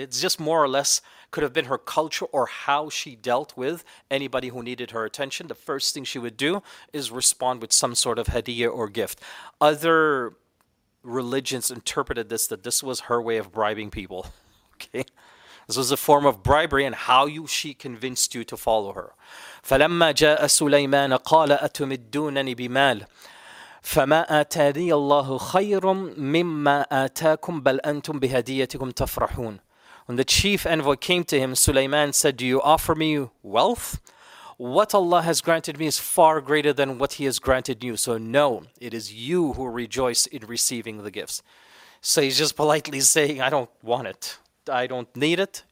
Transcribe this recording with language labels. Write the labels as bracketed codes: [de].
[en] It's just more or less could have been her culture or how she dealt with anybody who needed her attention. The first thing she would do is respond with some sort of hadiyah or gift. Other religions interpreted this, that this was her way of bribing people. Okay, this was a form of bribery, and how you she convinced you to follow her. [ar] فلما جاء سليمان قال أتمدونني بمال فما آتاني الله خير مما آتاكم بل أنتم بهديتكم تفرحون. [en] When the chief envoy came to him, Sulaiman said, do you offer me wealth? What Allah has granted me is far greater than what he has granted you. So no, it is you who rejoice in receiving the gifts. So he's just politely saying, I don't want it. I don't need it.